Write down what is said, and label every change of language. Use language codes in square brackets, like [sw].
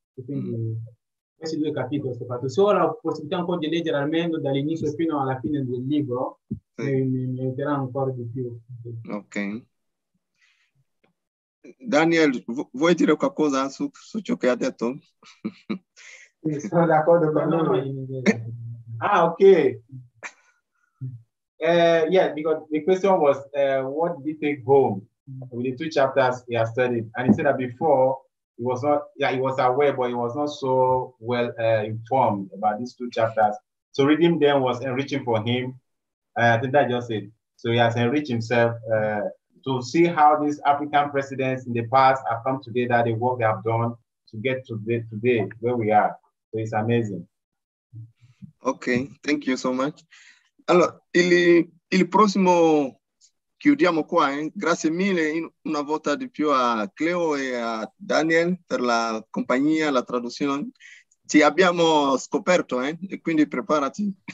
[it] Quindi, questi due capitoli sono fatti. Se ho la possibilità un po' di leggere almeno dall'inizio fino alla fine del libro, sì, mi aiuterà ancora di più. Ok. Daniel, vuoi dire qualcosa su ciò che ha detto? Sì, sono d'accordo con lui. Ah, ok. [en] Yeah, because the question was, what did he take home with the two chapters he has studied? And he said that before, he was aware, but he was not so well informed about these two chapters. So reading them was enriching for him. I think that just it. So he has enriched himself to see how these African presidents in the past have come together, the work they have done to get to today where we are. So it's amazing. Okay, thank you so much. [it] Allora, il prossimo chiudiamo qua. Grazie mille una volta di più a Cleo e a Daniel per la compagnia, la traduzione. Ti abbiamo scoperto, e quindi preparati.